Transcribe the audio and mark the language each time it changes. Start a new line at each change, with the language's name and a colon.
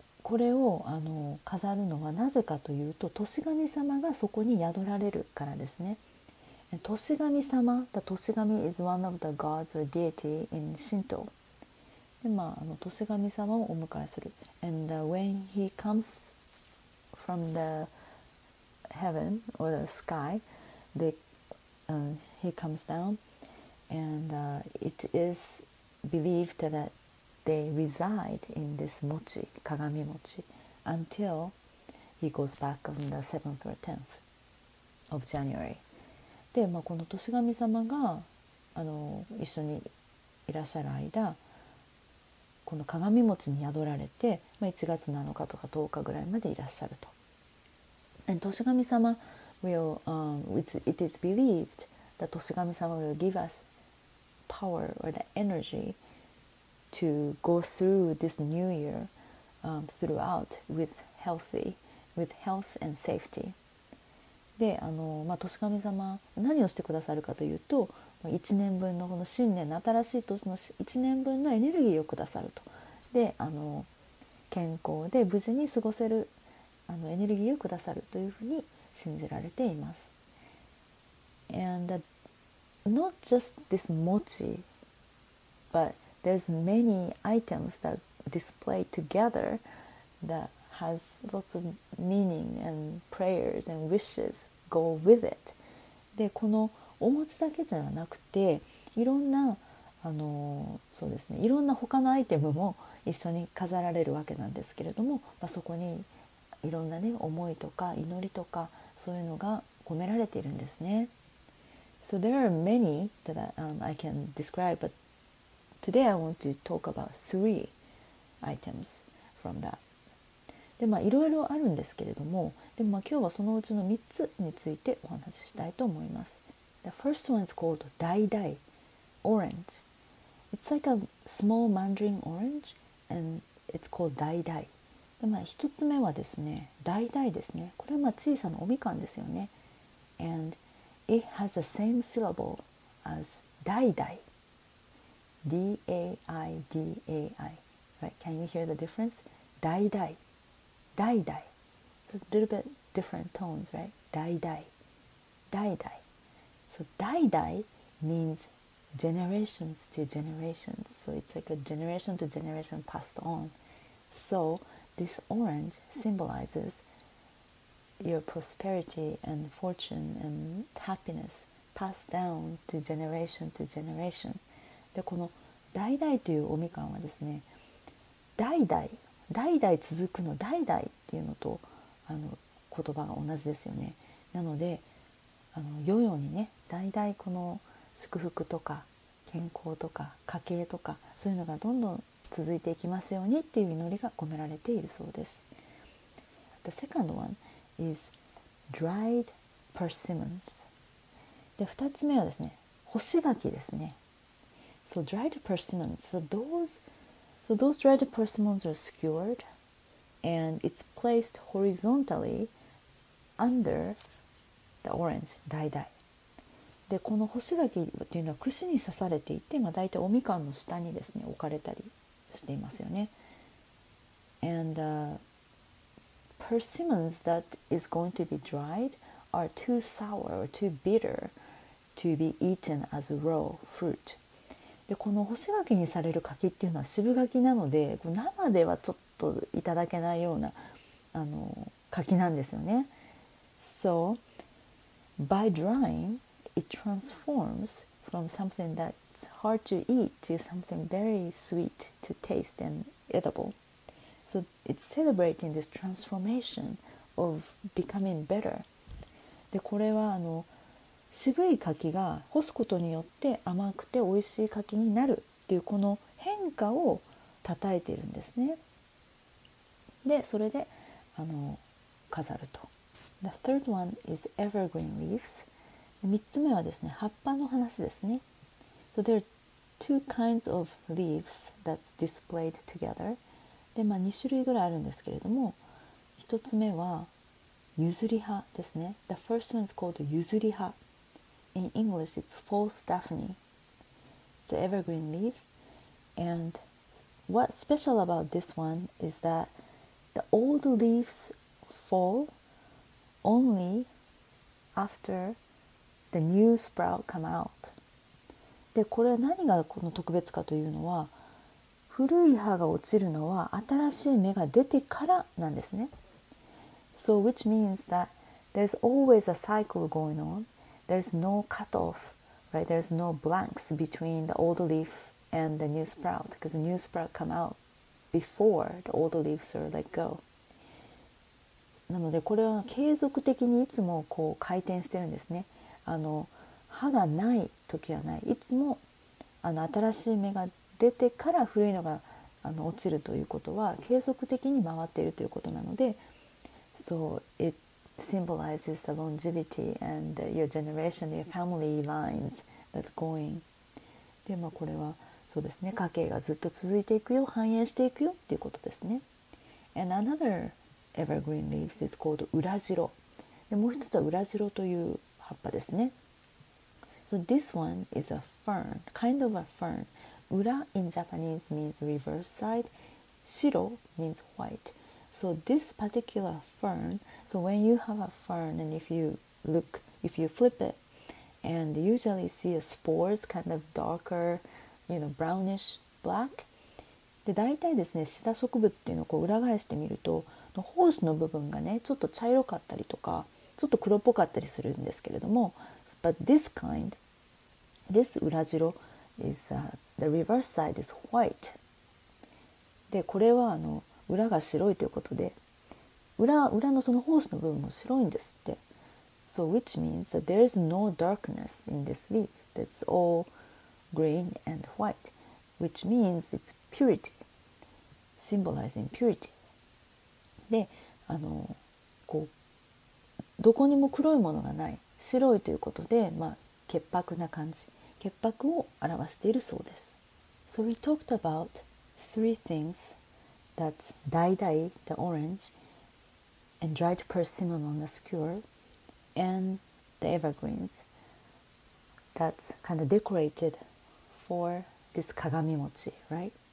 Japanese: これをあの飾るのはなぜかというと、年神様がそこに宿られるからですね。
English: 年神様、年神 is one of the gods or deity in Shinto.
Japanese: で、まあ、あの年神様をお迎えする。
English: And when he comes from the heaven or the sky, he comes down, and it is believed that. They reside in this mochi, kagami mochi, until he goes back on the 7th or 10th of January.
Japanese: で、まあ、この年神様があの一緒にいらっしゃる間、この鏡餅に宿られて、まあ、1月7日とか10日ぐらいまでいらっしゃると。
English: And 年神様 it is believed that 年神様 will give us power or the energy. To go through this new year throughout with health and safety.
Japanese: で、あの、まあ、年神様、何をしてくださるかというと、一年分のこの新年、新しい年の一年分のエネルギーをくださると。で、あの、健康で無事に過ごせるあのエネルギーをくださるというふうに信じられています。
English: And not just this mochi, but There's many items that display together that has lots of meaning and prayers and wishes go with it.
Japanese: で、このお餅だけじゃなくて、いろんな、あの、そうですね、いろんな他のアイテムも一緒に飾られるわけなんですけれども、まあ、そこにいろんなね、思いとか祈りとかそういうのが込められているんですね。
English: So there are many that I can describe, butToday I want to talk about three items from that.
Japanese: で、まあ、いろいろあるんですけれども、でも、まあ、今日はそのうちの3つについてお話ししたいと思います。
English: The first one is called Dai Dai Orange. It's like a small mandarin orange and it's called Dai Dai.
Japanese: で、まあ、一つ目はですね、ダイダイですね。これはまあ小さなおみかんですよね。
English: And it has the same syllable as Dai Dai. D-A-I-D-A-I. Right? Can you hear the difference? Dai Dai. Dai dai. It's a little bit different tones, right? Dai dai. Dai dai. So dai dai means generations to generations. So it's like a generation to generation passed on. So this orange symbolizes your prosperity and fortune and happiness passed down to generation to generation.
Japanese: で、この dai dai というおみかんはですね、dai dai。代々続くの代々っていうのと、あの言葉が同じですよね。なので、あの世々にね、代々この祝福とか健康とか家計とか、そういうのがどんどん続いていきますようにっていう祈りが込められているそうです。
English: The second one is dried persimmons.
Japanese: で、二つ目はですね、干し柿ですね。
English: So dried persimmons, so thoseSo those dried persimmons are skewered and it's placed horizontally under the orange, dai dai.
Japanese: で、この干し柿っていうのは串に刺されていて、まあ、大体おみかんの下にですね、置かれたりしていますよね。
English: And persimmons that is going to be dried are too sour or too bitter to be eaten as raw fruit.
Japanese: で、この干し柿にされる柿っていうのは渋柿なので、生ではちょっといただけないような、あの柿なんですよね。
English: So by drying it transforms from something that's hard to eat to something very sweet to taste and edible. So it's celebrating this transformation of becoming better.
Japanese: で、これはあの渋い柿が干すことによって甘くて美味しい柿になるっていう、この変化を称えているんですね。で、それで飾ると。
English: The third one is evergreen leaves.
Japanese: 3つ目はですね、葉っぱの話ですね。
English: So there are two kinds of leaves that's displayed together.
Japanese: で、まあ、2種類ぐらいあるんですけれども、1つ目はゆずり葉ですね。
English: The first one is called ゆずり葉。In English, it's false Daphne. It's evergreen leaves. And what's special about this one is that the old leaves fall only after the new sprout come out.
Japanese: で、これ何がこの特別かというのは、古い葉が落ちるのは新しい芽が出てからなんですね。
English: So which means that there's always a cycle going on. There's no cutoff, right? There's no blanks between the old leaf and the new sprout because the new sprout come out before the old leaves are let go.
Japanese: なので、これは継続的にいつもこう回転してるんですね。あの葉がない時はない、いつもあの新しい芽が出てから古いのがあの落ちるということは継続的に回っているということなので、
English: So itsymbolizes the longevity and your generation, your family lines that's going.
Japanese: で、まあ、これはそうですね、家計がずっと続いていくよ、繁栄していくよっていうことですね。
English: And another evergreen leaves is called 裏白。
Japanese: で、もう一つは裏白という葉っぱですね。
English: So this one is a fern, kind of a fern. 裏 in Japanese means reverse side. 白 means white. So this particular fern, so when you have a fern and if you look, if you flip it and usually see a spores kind of darker, you know, brownish black.
Japanese: で、大体ですね、シダ植物っていうのをこう裏返してみると、の胞子の部分がね、ちょっと茶色かったりとか、ちょっと黒っぽかったりするんですけれども、
English: But this kind, this 裏白 is, the reverse side is white.
Japanese: で、これはあの、裏が白いということで、裏のその胞子の部分も白いんですって。
English: So which means that there is no darkness in this leaf. That's all green and white. Which means it's purity. Symbolizing purity.
Japanese: で、あのこうどこにも黒いものがない白いということで、まあ、潔白な感じ、潔白を表しているそうです。
English: So we talked about three things that's dye, the orange, and dried persimmon on the skewer, and the evergreens that's kind of decorated for this kagami mochi, right?